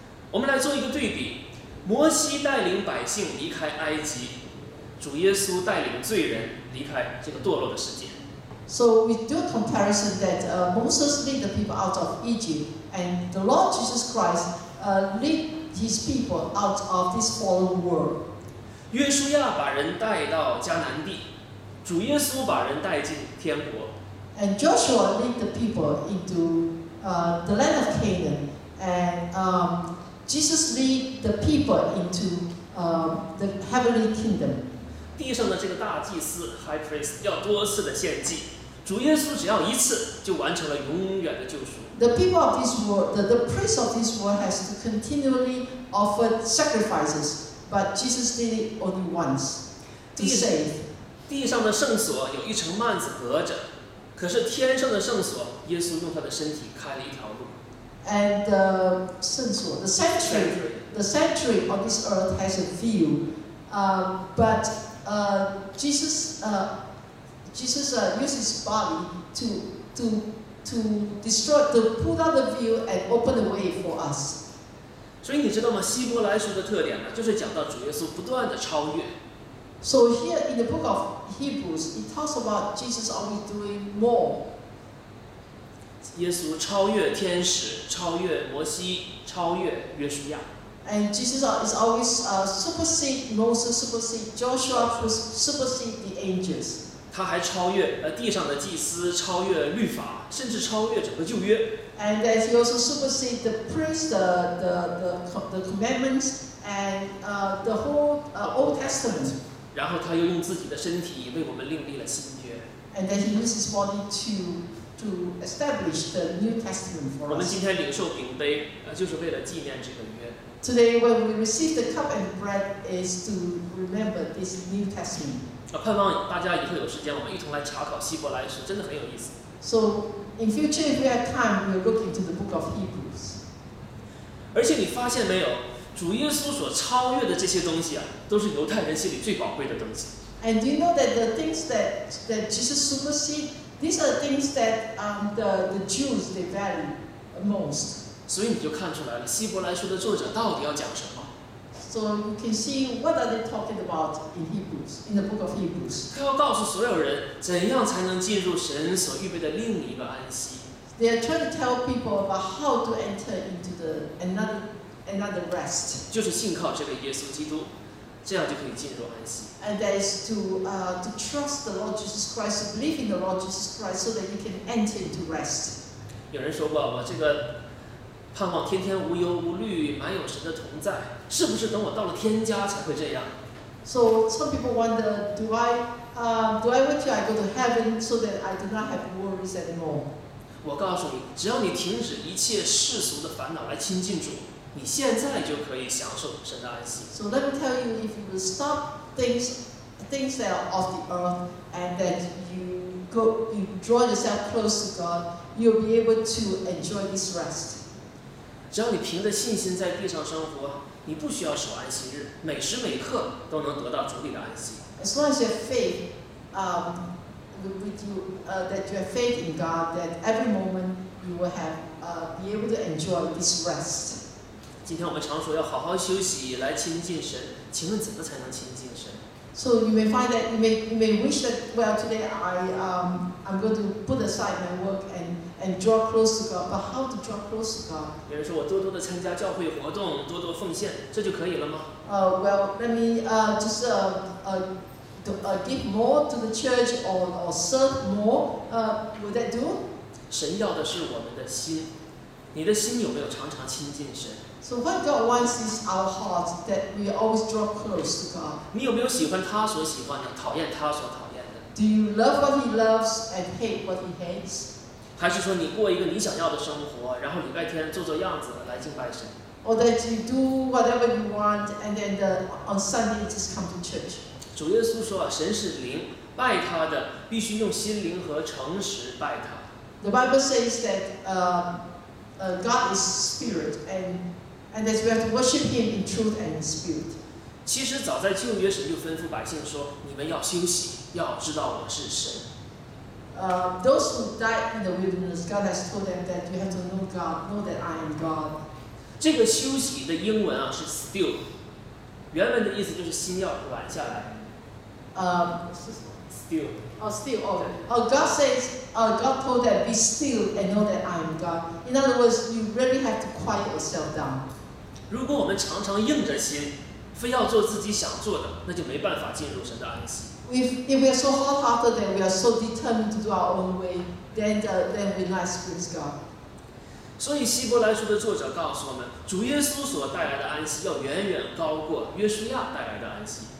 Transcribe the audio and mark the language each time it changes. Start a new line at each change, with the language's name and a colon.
Chinese: 我们来做一个对比，摩西带领百姓离开埃及，主耶稣带领罪人离开这个堕落的世界。
English: So we do a comparison that Moses led the people out of Egypt, and the Lord Jesus Christ led His people out of this fallen world.
Chinese: 约书亚把人带到迦南地，主耶稣把人带进天国。
English: And Joshua led the people into the land of Canaan, and Jesus led the people into the heavenly kingdom.
Chinese: 地上的这个大祭司
English: High Priest
Chinese: 要多次的献祭，主耶稣只要一次就完成了永远的救赎。
English: The people of this world, the priest of this world has to continually offer sacrifices. But Jesus did it only once to save.
Chinese: 地上的圣所有一层幔子隔着，可是天上的圣所，耶稣用他的身体开了一条路。
English: And the
Chinese: 圣所
English: the sanctuary, the sanctuary on this earth has a view, but Jesus used his body to destroy, to pull down the view and open the way for us.
Chinese: 所以你知道吗？希伯来书的特点呢，就是讲到主耶稣不断的超越。
English: So here in the book of Hebrews, it talks about Jesus always doing more.
Chinese: 耶稣超越天使，超越摩西，超越约书亚。
English: And Jesus is always supersede Moses, supersede Joshua, supersede the angels.
Chinese: 他还超越地上的祭司，超越律法，甚至超越整个旧约。
English: And that he also supersedes the priests, the commandments, and the whole Old Testament.
Chinese: 然后他又用自己的身体为我们另立了新约。
English: And then he uses his body to to establish the New Testament for us.
Chinese: 我们今天领受饼杯，就是为了纪念这个约。
English: Today, when we receive the cup and bread, is to remember this New Testament.
Chinese: 盼望大家以后有时间，我们一同来查考希伯来书，真的很有意思。
English: So, in future, if we have time, we'll look into the book of Hebrews.
Chinese: 而且你发现没有，主耶稣所超越的这些东西啊，都是犹太人心里最宝贵的东西。
English: And do you know that the things that Jesus supersedes, these are the things that the Jews they value most.
Chinese: 所以你就看出来了，希伯来书的作者到底要讲什么。
English: So you can see what are they talking about in Hebrews, in the book of Hebrews.
Chinese: 他要告诉所有人，怎样才能进入神所预备的另一个安息。
English: They are trying to tell people about how to enter into the another rest.
Chinese: 就是信靠这个耶稣基督。这样就可以进入安息。
English: And that is to trust the Lord Jesus Christ, to believe in the Lord Jesus Christ, so that you can enter into rest.
Chinese: 有人说过，我这个盼望天天无忧无虑，满有神的同在，是不是等我到了天家才会这样
English: ？So some people wonder, do I wait till I go to heaven so that I do not have worries anymore?
Chinese: 我告诉你，只要你停止一切世俗的烦恼来亲近主。你现在就可以享受神的安息。
English: So let me tell you, if you stop things that are of the earth, and that you draw yourself close to God, you'll be able to enjoy this rest.
Chinese: 只要你凭着信心在地上生活，你不需要守安息日，每时每刻都能得到主里的安息。
English: As long as you have faith, that you have faith in God, that every moment you will have be able to enjoy this rest.
Chinese: 今天我们常说要好好休息来亲近神，请问怎么才能亲近神
English: ？So you may find that you may wish that well today I'm going to put aside my work and draw close to God. But how to draw close to God？
Chinese: 有人说我多多的参加教会活动，多多奉献，这就可以了吗
English: ？Well, let me give more to the church or serve more. Would that do？
Chinese: 神要的是我们的心，你的心有没有常常亲近神？
English: So what God wants is our heart that we always draw close to God.
Chinese: 你有没有喜欢他所喜欢的，讨厌他所讨厌的
English: ？Do you love what he loves and hate what he hates?
Chinese: 还是说你过一个你想要的生活，然后礼拜天做做样子来敬拜神
English: ？Or that you do whatever you want and then on Sunday just come to church.
Chinese: 主耶稣说啊，神是灵，拜他的必须用心灵和诚实拜他。
English: The Bible says that God is spirit and that we have to worship Him in truth and in spirit.
Chinese: 其实早在旧约，神就吩咐百姓说：“你们要休息，要知道我是神。”
English: Those who died in the wilderness, God has told them that you have to know God, know that I am God.
Chinese: 这个休息的英文啊是 still， 原文的意思就是心要软下来。
English: God says, God told them be still and know that I am God. In other words, you really have to quiet yourself down.
Chinese: 如果我们常常硬着心，非要做自己想做的，那就没办法进入神的安息。
English: If we are so hard-hearted, then we are so determined to do our own way, then we not experience God.
Chinese: 所以希伯来书的作者告诉我们，主耶稣所带来的安息要远远高过约书亚带来的安息。